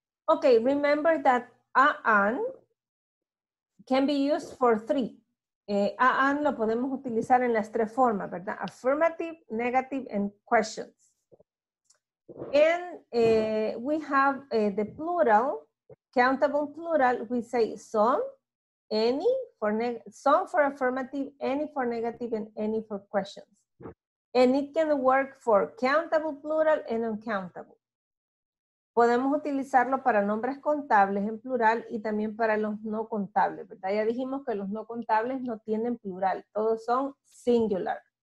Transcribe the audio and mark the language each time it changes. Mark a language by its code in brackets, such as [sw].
[en] Okay, remember that an can be used for three. [es] An lo podemos utilizar en las tres formas, ¿verdad? [en] Affirmative, negative, and questions. And we have the plural, countable plural, we say some, any, for some for affirmative, any for negative, and any for questions. And it can work for countable plural and uncountable. [es] Podemos utilizarlo para nombres contables en plural y también para los no contables, ¿verdad? Ya dijimos que los no contables no tienen plural, todos son singular.